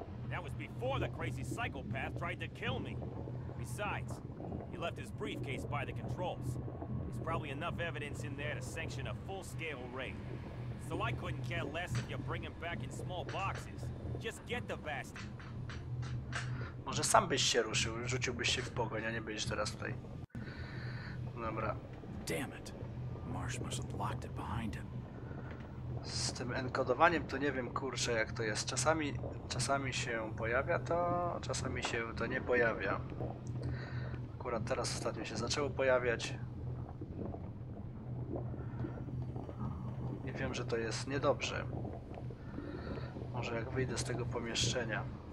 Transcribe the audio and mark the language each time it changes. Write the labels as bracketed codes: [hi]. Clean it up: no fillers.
[en] That was before the crazy psychopath tried to kill me. Besides, he left his briefcase by the controls. There's probably enough evidence in there to sanction a full-scale raid. So I couldn't care less if you bring him back in small boxes. Just get the bastard. [pl] Może sam byś się ruszył, rzuciłbyś się w pogoń, a nie byś teraz tutaj. Dobra. [en] Damn it. Marsh must have locked it behind him. [pl] Z tym enkodowaniem to nie wiem, kurczę, jak to jest. Czasami się pojawia to, czasami się to nie pojawia. Akurat teraz ostatnio się zaczęło pojawiać. I wiem, że to jest niedobrze. Może jak wyjdę z tego pomieszczenia.